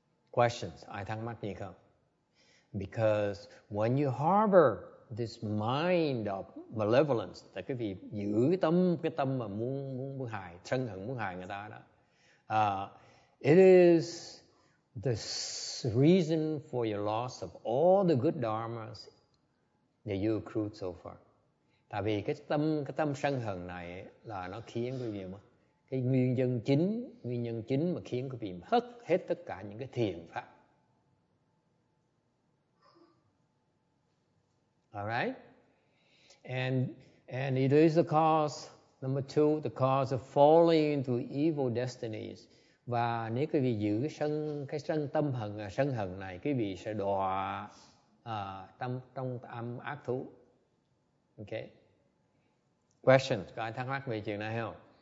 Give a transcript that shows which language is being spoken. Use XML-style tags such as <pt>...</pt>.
<en>Questions?</en> <vi>Ai thắc mắc gì không?</vi> <en>Because when you harbor this mind of malevolence,</en> <vi>tại quý vị giữ cái tâm mà muốn hại, sân hận muốn hại người ta đó.</vi> <en>It is the reason for your loss of all the good dharmas that you accrued so far.</en> <vi>Tại vì cái tâm sân hận này ấy, là nó khiến quý vị mất cái nguyên nhân chính mà khiến quý vị mất hết tất cả những cái thiền pháp.</vi> <en>All right, and it is the cause number two, the cause of falling into evil destinies.</en> <vi>Và nếu quý vị giữ cái sân hận này, quý vị sẽ đọa trong tâm ác thú.</vi> <en>Okay. Questions?</en> <vi>Có ai thắc mắc về chuyện này không?</vi>